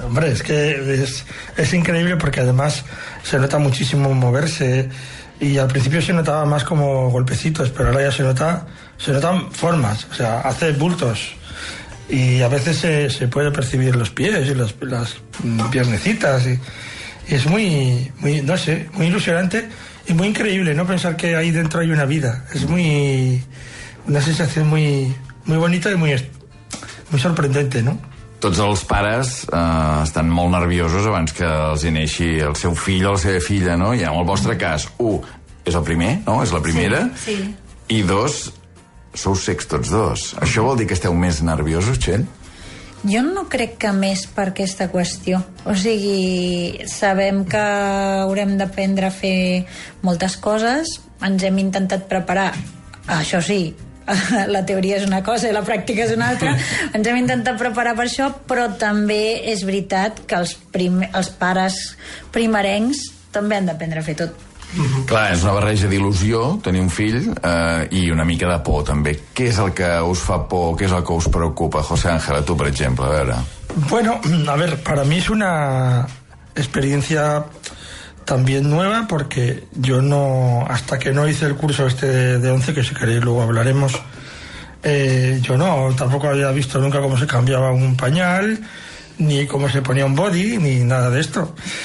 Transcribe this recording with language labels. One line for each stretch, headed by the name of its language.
Spanish: Hombre, es que es increíble porque además se nota muchísimo moverse y al principio se notaba más como golpecitos, pero ahora ya se notan formas, o sea, hace bultos y a veces se puede percibir los pies y las piernecitas y es muy, muy, no sé, muy ilusionante. Es muy increíble, ¿no? Pensar que ahí dentro hay una vida. Es muy... una sensación muy, muy bonita y muy, muy sorprendente, ¿no?
Catalan: Tots els pares estan molt nerviosos abans que els hi neixi el seu fill o la seva filla, no? I en el vostre cas, un, és el primer, no? És la primera. Sí, sí. I dos, sou secs tots dos. Això vol dir que esteu més nerviosos, Txell? Jo no crec que més per aquesta qüestió. O sigui, sabem que haurem d'aprendre a fer moltes coses, ens hem intentat preparar, això sí, la teoria és una cosa i la pràctica és una altra, ens hem intentat preparar per això, però també és veritat que els pares primerencs també han d'aprendre a fer tot. Clar, és una barreja d'il·lusió tenir un fill i una mica de por també. Què és el que us fa por, què és el que us preocupa, José Ángel, a tu, per exemple, a veure?
Spanish: Bueno, a ver, para mí es una experiencia también nueva porque yo no, hasta que no hice el curso este de 11, que si queréis luego hablaremos, yo no, tampoco había visto nunca cómo se cambiaba un pañal, ni cómo se ponía un body, ni nada de esto.